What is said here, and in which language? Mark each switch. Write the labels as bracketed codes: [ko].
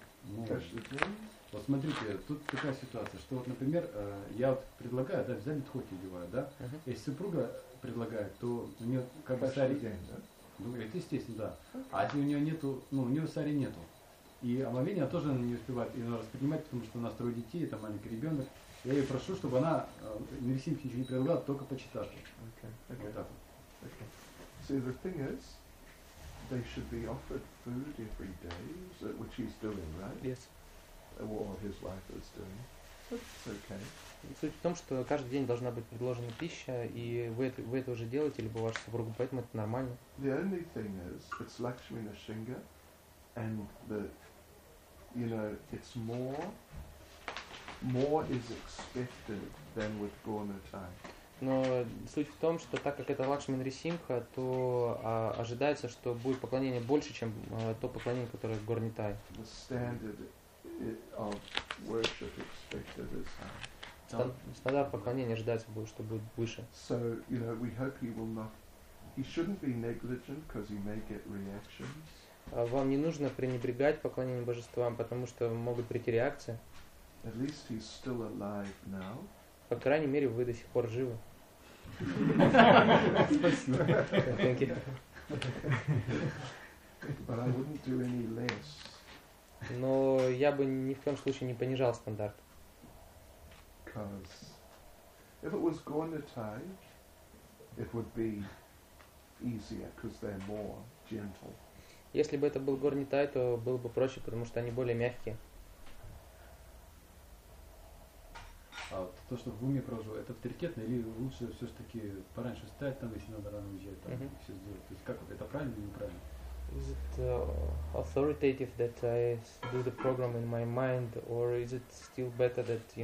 [ru] Ну, вот смотрите, тут такая ситуация, что вот, например, я вот предлагаю, да, взяли тхоти одеваю, да, если супруга предлагает, то у нее как бы сари, да? Ну, это естественно, да. А если у нее нету, ну, у нее сари нету. И омовение тоже она не успевает ее воспринимать, потому что у нас трое детей, это маленький ребенок. Я ее прошу, чтобы она Нерисимхи ничего не предлагала, только почитала. [en] Okay. Okay. [ru] Вот так вот. [en] Okay. So the thing is, they should be offered food every day, so, which he's doing, right? Yes. Or his wife is doing. It's okay. [ru] Суть в том, что каждый день должна быть предложена пища, и вы это уже делаете, либо ваша супруга, поэтому это нормально. [en] The only thing is, it's Lakshmi Nrisimha, and the, you know, it's more is expected than with Gornatai. [ru] Но суть в том, что так как это Лакшми Нрисимха, то ожидается, что будет поклонение больше, чем то поклонение, которое в Горнитай. Стандарт поклонения ожидается, что будет выше. [en] So, you know, we hope he will not, he shouldn't be negligent, because he may get reactions. [ru] Вам не нужно пренебрегать поклонением божествам, потому что могут прийти реакции. [en] At least he's still alive now. [ru] По крайней мере, вы до сих пор живы. Спасибо. [en] Thank you. But I wouldn't do any less. [ru] Но я бы ни в коем случае не понижал стандарт. [en] Because if it was Gornatai, it would be easier, because they're more gentle. [ru] Если бы это был Горнитай, то было бы проще, потому что они более мягкие. А вот то, что в уме провожу, это авторитетно или лучше все-таки пораньше встать, там, если надо рано уезжать, там, все сделать? То есть как это правильно или неправильно? [en] Is it authoritative that I do the program in my mind, or is it still better that, you